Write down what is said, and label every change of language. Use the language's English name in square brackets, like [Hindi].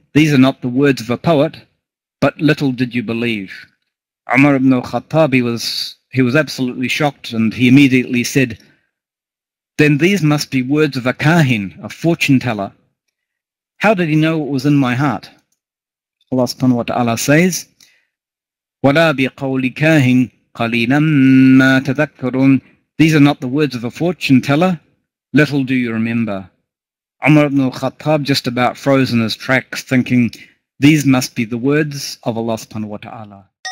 [English] These are not the words of a poet, but little did you believe. Umar ibn al-Khattab, he was absolutely shocked, and he immediately said, "Then these must be words of a kahin, a fortune teller. How did he know what was in my heart?" Allah subhanahu wa ta'ala says, [Arabic] وَلَا بِقَوْلِ كَاهِنْ قَلِيلًا مَا تَذَكَّرُونَ. [English] These are not the words of a fortune teller. Little do you remember. Umar ibn al-Khattab just about froze in his tracks, thinking, these must be the words of Allah subhanahu wa ta'ala.